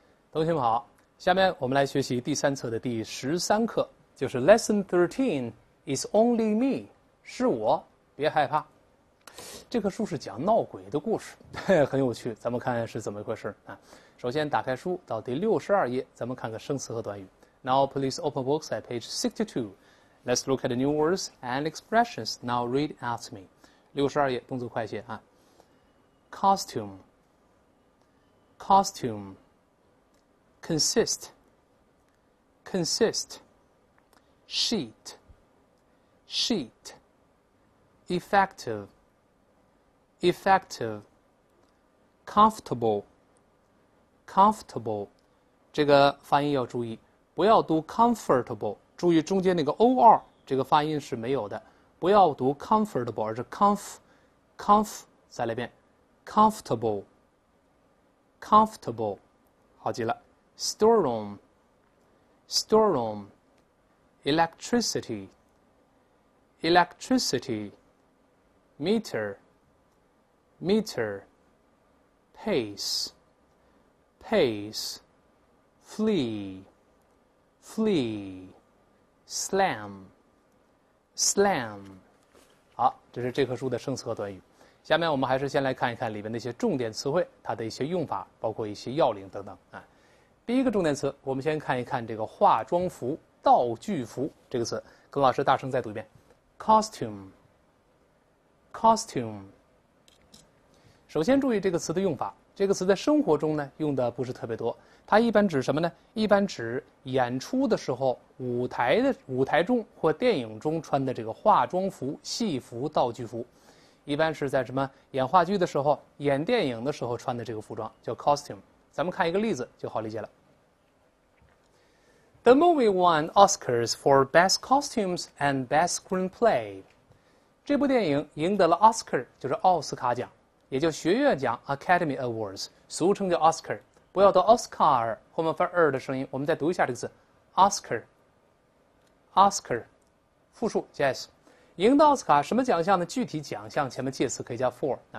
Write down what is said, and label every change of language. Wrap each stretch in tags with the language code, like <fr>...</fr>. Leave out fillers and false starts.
<zh>同学们好，下面我们来学习第三册的第13课，就是</zh> <en>Lesson 13 is only me，</en> <zh>是我，别害怕。这棵树是讲闹鬼的故事，很有趣，咱们看是怎么一回事啊。首先打开书到第62页，咱们看个生词和短语。</zh> <en>Now please open books at page 62. Let's look at the new words and expressions. Now read after me.</en> <zh>62页，动作快些啊。</zh> <en>Costume。 Consist, consist, sheet, sheet, effective, effective, comfortable, comfortable.</en> <zh>这个发音要注意，不要读 comfortable，注意中间那个 OR，这个发音是没有的，不要读 comfortable，而是 conf，conf，再来一遍，comfortable, comfortable，好极了。</zh> <en>Storeroom, storeroom, electricity, electricity, meter, meter, pace, pace, flea, flea, slam, slam.</en> <zh>好，这是这棵树的生词和短语。下面我们还是先来看一看里面那些重点词汇，它的一些用法，包括一些要领等等啊。第一个重点词，我们先看一看这个化妆服、道具服这个词，跟老师大声再读一遍，costume。首先注意这个词的用法，这个词在生活中呢用的不是特别多，它一般指什么呢？一般指演出的时候舞台中或电影中穿的这个化妆服、戏服、道具服，一般是在什么演话剧的时候、演电影的时候穿的这个服装叫 costume。咱们看一个例子就好理解了。</zh> <en>The movie won Oscars for Best Costumes and Best Screenplay.</en> <zh>这部电影赢得了 Oscar, 就是奥斯卡奖，也叫学院奖 Academy Awards, 俗称叫 Oscar。不要读 Oscar, 后面发二的声音，我们再读一下这个字 ,Oscar,Oscar, 复数 ,yes。赢得奥斯卡什么奖项呢？具体奖项前面介词可以加 for。</zh>